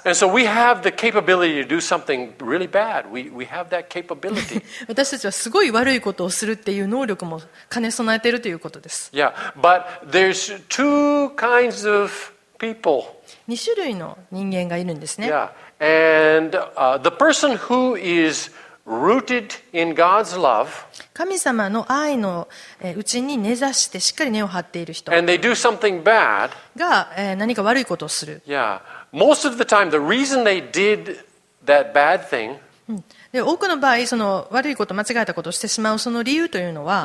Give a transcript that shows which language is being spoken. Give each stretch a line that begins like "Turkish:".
English: And so we have the capability to do something really bad. We have that capability.
Japanese: 私たちはすごい悪いことをするっていう能力も兼ね備えているということです。
English: Yeah, but there's two kinds of people.
Japanese: 二種類の人間がいるんですね。
English: Yeah, and the person who is rooted in God's love.
Japanese: 神様の愛のうちに根ざしてしっかり根を張っている人。
English: And they do something bad.
Japanese: が何か悪いことをする。 Yeah.
English: Most of the time, the reason they did that bad thing.
Japanese: で、多くの場合、その悪いこと、間違えたことをしてしまうその理由というのは。